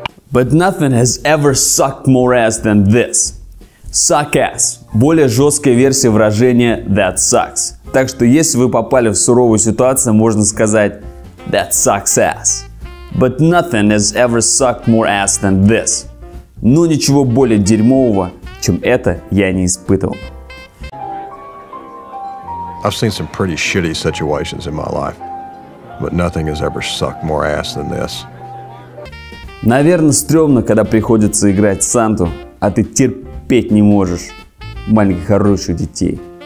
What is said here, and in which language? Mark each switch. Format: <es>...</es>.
<en>But nothing has ever sucked more ass than this. Suck ass.</en> <ru>Более жесткая версия выражения</ru> <en>that sucks.</en> <ru>Так что если вы попали в суровую ситуацию, можно сказать</ru> <en>that sucks ass. But nothing has ever sucked more ass than this.</en> <ru>Но ничего более дерьмового, чем это, я не испытывал.</ru> <en>I've seen some pretty shitty situations in my life, but nothing has ever sucked more ass than this.</en> <ru>Наверное, стрёмно, когда приходится играть Санту, а ты терпеть не можешь маленьких хороших детей.</ru>